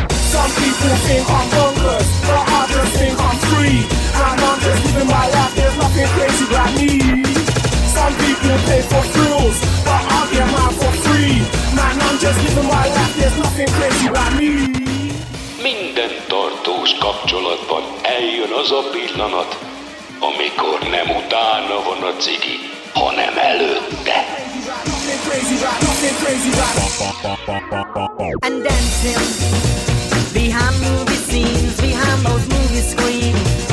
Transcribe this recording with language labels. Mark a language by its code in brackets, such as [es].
[en] Some people think I'm bonkers, but others think I'm free. And I'm just living my life, there's nothing crazy about me. Some people pay for thrills, but I'll get mine for free. Man, I'm just living my life, there's nothing crazy about me. [hu] Minden tartós kapcsolatban eljön az a pillanat, amikor nem utána van a cigi, hanem előtte. [en] And dancing behind movie scenes, behind those movie screens.